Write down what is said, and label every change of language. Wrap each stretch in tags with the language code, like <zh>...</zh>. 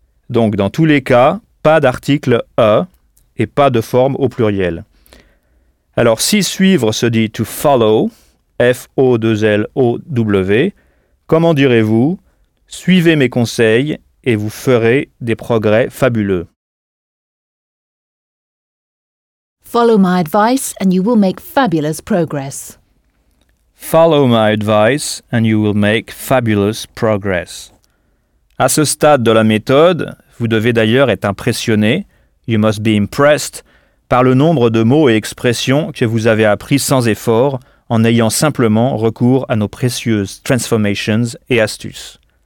<fr>Donc, dans tous les cas, pas d'article a et pas de forme au pluriel. Alors, si suivre se dit to follow, F-O-L-O-W, comment direz-vous ? Suivez mes conseils et vous ferez des progrès fabuleux.</fr> <en>Follow my advice and you will make fabulous progress. Follow my advice and you will make fabulous progress.</en> <fr>À ce stade de la méthode, vous devez d'ailleurs être impressionné,</fr> <en>you must be impressed,</en> <fr>par le nombre de mots et expressions que vous avez appris sans effort en ayant simplement recours à nos précieuses transformations et astuces.</fr>